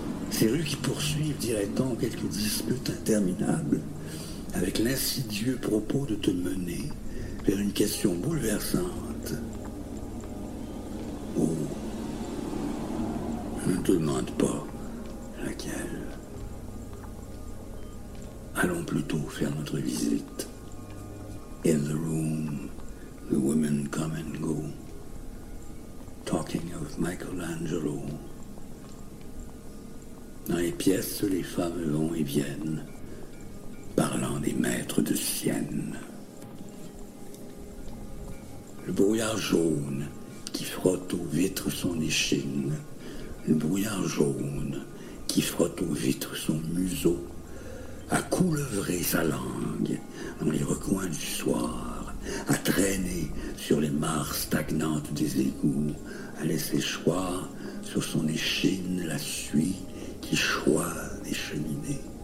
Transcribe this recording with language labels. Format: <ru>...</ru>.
<fr>Ces rues qui poursuivent, dirait-on, quelques disputes interminables, avec l'insidieux propos de te mener vers une question bouleversante. Oh, ne demande pas laquelle. Allons plutôt faire notre visite.</fr> <en>In the room, the women come and go, talking of Michelangelo.</en> <fr>Dans les pièces, les femmes vont et viennent, parlant des maîtres de Sienne. Le brouillard jaune qui frotte aux vitres son échine, le brouillard jaune qui frotte aux vitres son museau, a couleuvré sa langue dans les recoins du soir, a traîné sur les mares stagnantes des égouts, a laissé choir sur son échine la suie qui choit des cheminées.</fr>